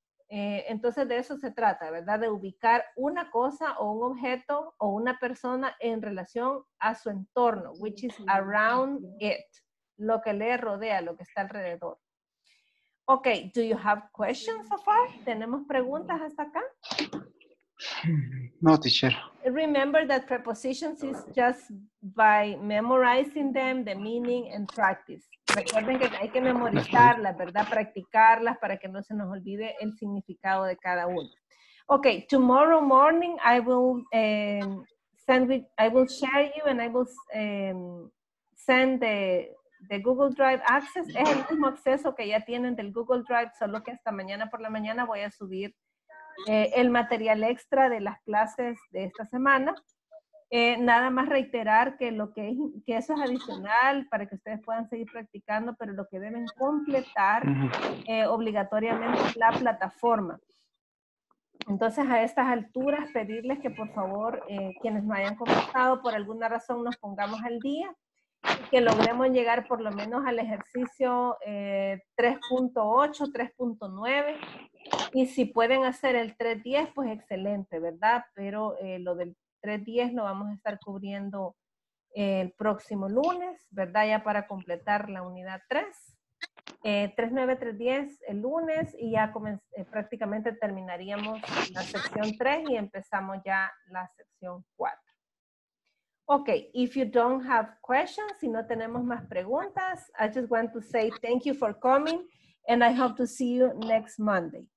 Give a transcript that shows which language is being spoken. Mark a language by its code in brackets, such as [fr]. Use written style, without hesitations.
[es] Entonces de eso se trata, ¿verdad? De ubicar una cosa o un objeto o una persona en relación a su entorno, [en] which is around it, [es] lo que le rodea, lo que está alrededor. [en] Ok, do you have questions so far? [es] ¿Tenemos preguntas hasta acá? [en] No, teacher. Remember that prepositions is just by memorizing them, the meaning and practice. [es] Recuerden que hay que memorizarlas, ¿verdad? Practicarlas para que no se nos olvide el significado de cada uno. [en] Ok, tomorrow morning I will send the Google Drive access. [es] Es el mismo acceso que ya tienen del Google Drive, solo que hasta mañana por la mañana voy a subir el material extra de las clases de esta semana. Nada más reiterar que lo que es, que eso es adicional para que ustedes puedan seguir practicando, pero lo que deben completar obligatoriamente es la plataforma. Entonces, a estas alturas, pedirles que por favor, quienes no hayan comenzado, por alguna razón nos pongamos al día, que logremos llegar por lo menos al ejercicio 3.8, 3.9, y si pueden hacer el 3.10, pues excelente, ¿verdad? Pero lo del 3.10 lo vamos a estar cubriendo el próximo lunes, ¿verdad? Ya para completar la unidad 3. 3.9, 3.10 el lunes, y ya prácticamente terminaríamos la sección 3 y empezamos ya la sección 4. [en] Okay, if you don't have questions, [es] si no tenemos más preguntas, [en] I just want to say thank you for coming and I hope to see you next Monday.